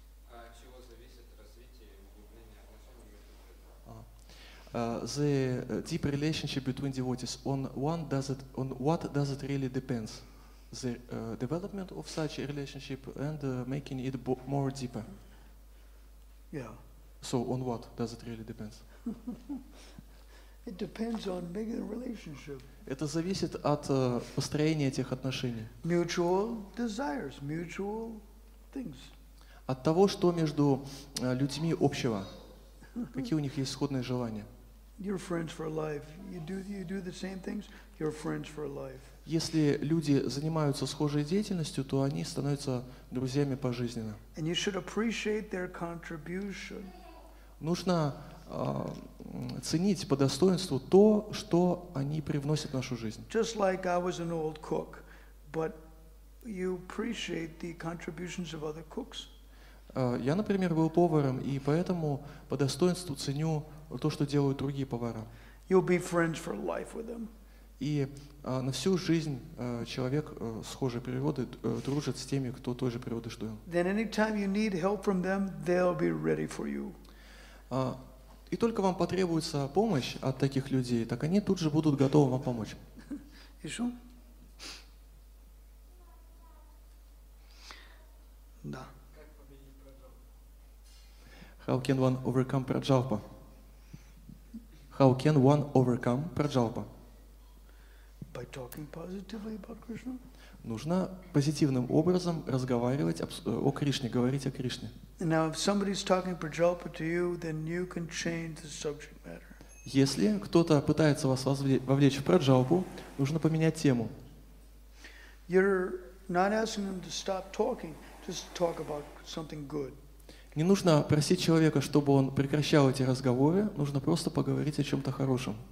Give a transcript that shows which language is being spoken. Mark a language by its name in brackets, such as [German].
[Russian] Чего зависит развитие и углубление отношений между преданными? [English] The deep relationship between devotees. On what does it really depends? The development of such a relationship and making it more deeper. Yeah. So on what does it really depends? It depends on making a relationship. [Russian] Это зависит от построения этих отношений. [English] Mutual desires, mutual things. [Russian] От того, что между людьми общего. Какие у них есть сходные желания. [English] You're friends for life. You do the same things. You're friends for life. [Russian] Если люди занимаются схожей деятельностью, то они становятся друзьями пожизненно. [English] And you should appreciate their contribution. [Russian] Нужно ценить по достоинству то, что они привносят в нашу жизнь. [English] Just like I was an old cook, but you appreciate the contributions of other cooks. [Russian] Я, например, был поваром, и поэтому по достоинству ценю то, что делают другие повара. [English] You'll be friends for life with them. [Russian] И на всю жизнь человек схожей природы дружит с теми, кто той же природы, что и он. [English] Then anytime you need help from them, they'll be ready for you. [Russian] И только вам потребуется помощь от таких людей, так они тут же будут готовы вам помочь. Еще? Да. [English] How can one overcome prajalpa? How can one overcome prajalpa? By talking positively about Krishna? [Russian] Нужно позитивным образом разговаривать о Кришне, говорить о Кришне. [English] Now, if somebody's talking prajalpa to you, then you can change the subject matter. [Russian] Если кто-то пытается вас вовлечь в праджаупу, нужно поменять тему. Не нужно просить человека, чтобы он прекращал эти разговоры, нужно просто поговорить о чем-то хорошем.